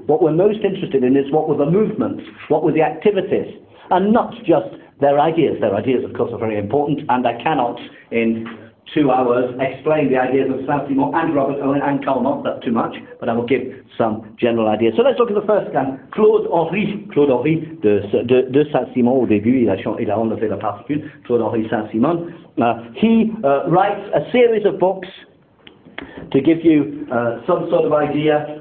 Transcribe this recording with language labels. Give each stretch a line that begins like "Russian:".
English: What we're most interested in is what were the movements, what were the activities, and not just their ideas. Their ideas, of course, are very important, and I cannot, in 2 hours, explain the ideas of Saint-Simon and Robert Owen and Karl Marx. That's too much, but I will give some general ideas. So let's look at the first guy, Claude-Henri de Saint-Simon.
French: Au début, il a enlevé la particule, Claude-Henri Saint-Simon.
English: He writes a series of books to give you some sort of idea.